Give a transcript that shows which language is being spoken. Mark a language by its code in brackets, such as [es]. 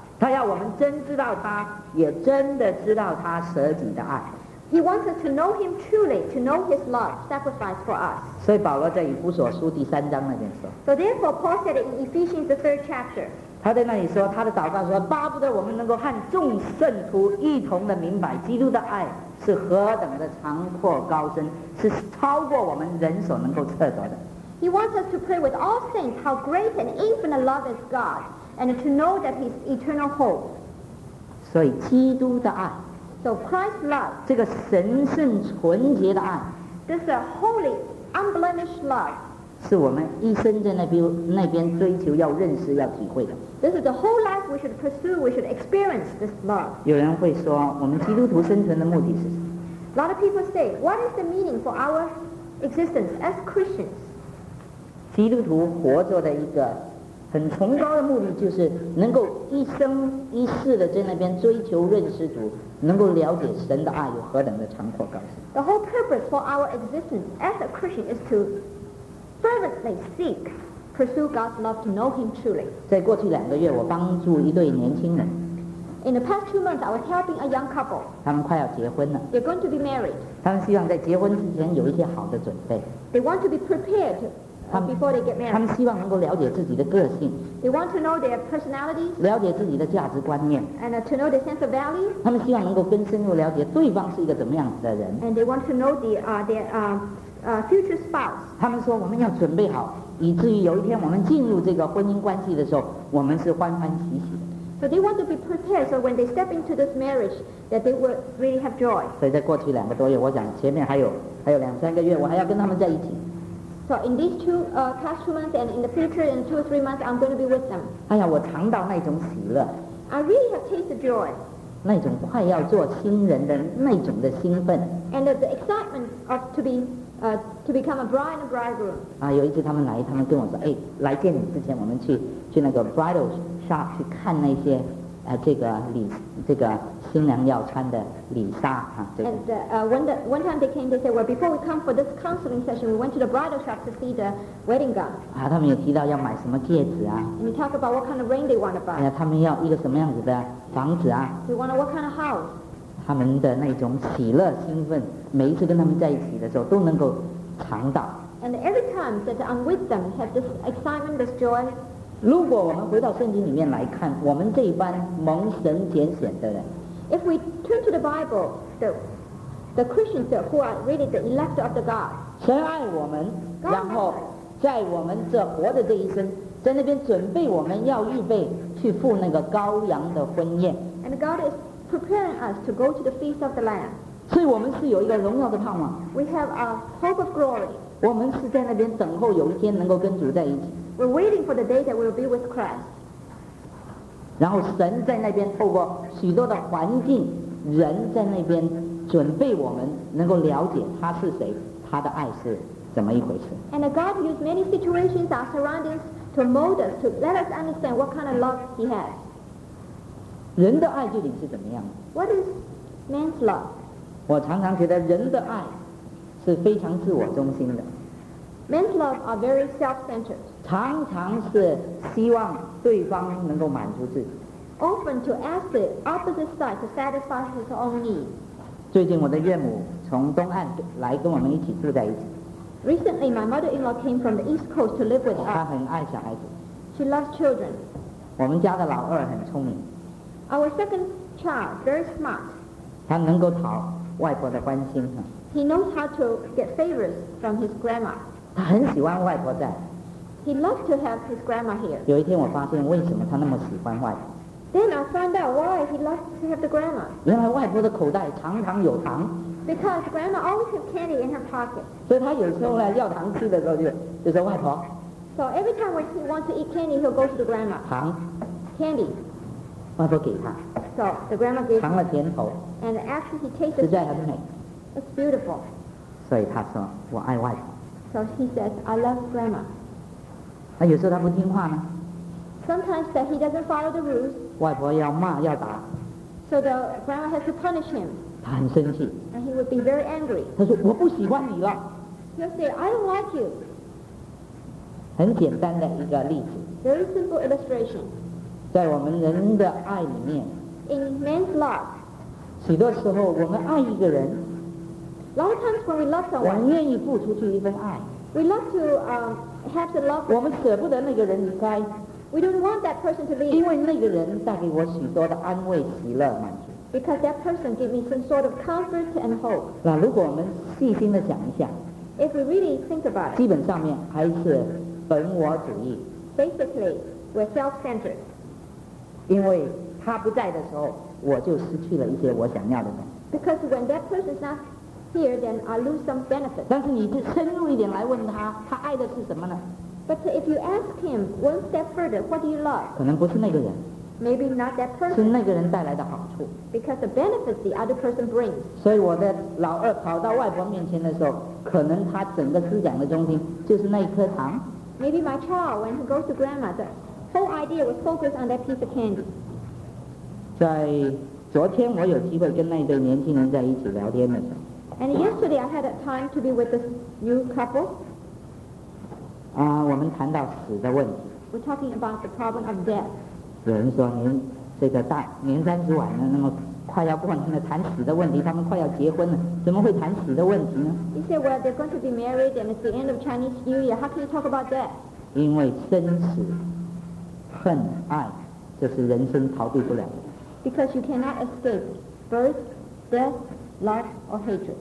[zh] 他要我们真知道他，也真的知道他舍己的爱。 [en] He wants us to know him truly, to know his love, sacrifice for us. [zh] 所以保罗在以弗所书第三章那边说。 [en] So therefore, Paul said in Ephesians the third chapter. [zh] 他在那里说，他的祷告说，巴不得我们能够和众圣徒一同的明白基督的爱。是何等的长阔高深，是超过我们人所能够测度的。 [en] He wants us to pray with all saints how great and infinite love is God, and to know that His eternal hope. [zh] 所以基督的爱 [en] ，So Christ's love， [zh] 这个神圣纯洁的爱 [en] ，This a holy, unblemished love， [zh] 是我们一生在那边追求要认识要体会的。 [en] This is the whole life we should pursue, we should experience this love. [zh] 有人会说，我们基督徒生存的目的是什么？ [en] A lot of people say, what is the meaning for our existence as Christians? [zh] 基督徒活着的一个很崇高的目的就是能够一生一世的在那边追求认识主，能够了解神的爱有何等的长阔高深。 [en] The whole purpose for our existence as a Christian is to fervently seek, pursue God's love to know Him truly. [zh] 在过去两个月，我帮助一对年轻人。 [en] In the past 2 months, I was helping a young couple. [zh] 他们快要结婚了。 [en] They're going to be married. [zh] 他们希望在结婚之前有一些好的准备。 [en] They want to be prepared before they get married. [zh] 他们希望能够了解自己的个性。 [en] They want to know their personalities. [zh] 了解自己的价值观念。 [en] And to know their sense of value. [zh] 他们希望能够更深入了解对方是一个怎么样的人。 [en] And they want to know their future spouse. [zh] 他们说我们要准备好，以至于有一天我们进入这个婚姻关系的时候，我们是欢欢喜喜。 [en] So they want to be prepared so when they step into this marriage that they will really have joy. [zh] 所以在过去两个多月，我想前面还有两三个月，我还要跟他们在一起。 [en] So in these past two months and in the future in 2 or 3 months, I'm going to be with them. [zh] 哎呀，我尝到那种喜乐。 [en] I really have tasted joy. [zh] 那种快要做新人的那种的兴奋。 [en] And the excitement of to become a bride and bridegroom. [zh] 啊，有一次他们来，他们跟我说，哎，来见你之前，我们去那个 [en] bridal shop [zh] 去看那些，这个新娘要穿的礼纱啊。这个、 [en] And one time they came, they said, well, before we come for this counseling session, we went to the bridal shop to see the wedding gown. [zh] 啊，他们也提到要买什么戒指啊。 [en] And they talk about what kind of ring they want to buy. [zh] 哎呀，他们要一个什么样子的房子啊 [en] ？They want what kind of house? [zh] 他们的那种喜乐、兴奋，每一次跟他们在一起的时候都能够尝到。 [en] And every time that I'm with them, have this excitement, this joy. [zh] 如果我们回到圣经里面来看，我们这一班蒙神拣选的人。 [en] If we turn to the Bible, the Christians who are really the elect of the God. [zh] 神爱我们，然后在我们这活的这一生，在那边准备我们要预备去赴那个羔羊的婚宴。 [en] And God is preparing us to go to the feast of the Lamb. [zh] 所以我们是有一个荣耀的盼望。 [en] We have a hope of glory. [zh] 我们是在那边等候有一天能够跟主在一起。 [en] We're waiting for the day that we'll be with Christ. [zh] 然后神在那边透过许多的环境，人在那边准备我们能够了解他是谁，他的爱是怎么一回事。 [en] And God used many situations, our surroundings, to mold us, to let us understand what kind of love He has. [zh] 人的爱究竟是怎么样的？ [en] What is man's love? [zh] 我常常觉得人的爱是非常自我中心的。 [en] Men's love are very self-centered. [zh] 常常是希望对方能够满足自己。 [en] Often to ask the opposite side to satisfy his own need. [zh] 最近我的岳母从东岸来跟我们一起住在一起。 [en] Recently, my mother-in-law came from the East Coast to live with us. [zh] 她很爱小孩子。 [en] She loves children. [zh] 我们家的老二很聪明。 [en] Our second child, very smart. [zh] 她能够讨外婆的欢心。 [en] He knows how to get favors from his grandma. [zh] 他很喜欢外婆在。 [en] He loved to have his grandma here. [zh] 有一天我发现为什么他那么喜欢外婆。 [en] Then I found out why he loved to have the grandma. [zh] 原来外婆的口袋常常有糖。 [en] Because grandma always have candy in her pocket. [zh] 所以他有时候呢要糖吃的时候就说外婆。 [en] So every time when he wants to eat candy, he'll go to the grandma. [zh] 糖。 [en] Candy. [zh] 外婆给他。 [en] So the grandma gave him. [zh] 尝了甜头。 [en] And after he tasted it, [zh] 实在很美。 [en] It's beautiful. [zh] 所以他说我爱外婆。 [en] So he says, I love grandma. [zh] 那有时候他不听话呢？ [en] Sometimes that he doesn't follow the rules. [zh] 外婆要骂要打。 [en] So the grandma has to punish him. [zh] 他很生气。 [en] And he would be very angry. [zh] 他说我不喜欢你了。 [en] He'll say, I don't like you. [zh] 很简单的一个例子。 [en] Very simple illustration. [zh] 在我们人的爱里面。 [en] In man's love. [zh] 许多时候我们爱一个人。 [en] A lot of times when we love someone, [zh] 我们愿意付出去一份爱。 [en] We love to have the love. [zh] 我们舍不得那个人离开。 [en] We don't want that person to leave. [zh] 因为那个人带给我许多的安慰、喜乐、满足。 [en] Because that person gave me some sort of comfort and hope. [zh] 那如果我们细心的想一下 [en] ，If we really think about it, [zh] 基本上面还是本我主义。 [en] Basically, we're self-centered. [zh] 因为他不在的时候，我就失去了一些我想要的东西。 [en] Because when that person's not here, then I lose some benefit. [zh] 但是你就深入一点来问他，他爱的是什么呢？ [en] But if you ask him one step further, what do you love? [zh] 可能不是那个人。 [en] Maybe not that person. [zh] 是那个人带来的好处。 [en] Because the benefit the other person brings. [zh] 所以我的老二跑到外婆面前的时候，可能他整个思想的中心就是那一颗糖。 [en] Maybe my child, when he goes to grandma, the whole idea was focused on that piece of candy. [zh] 在昨天我有机会跟那一对年轻人在一起聊天的时候。 [en] And yesterday, I had a time to be with this new couple. [zh] 我们谈到死的问题。 [en] We're talking about the problem of death. [zh] 有人说您这个大年三十晚了，那么快要过年了，谈死的问题，他们快要结婚了，怎么会谈死的问题呢？ [en] He said, well, they're going to be married, and it's the end of Chinese New Year. How can you talk about that? [zh] 因为生死、恨、爱，这是人生逃避不了的。 [en] Because you cannot escape birth, death, love, or hatred.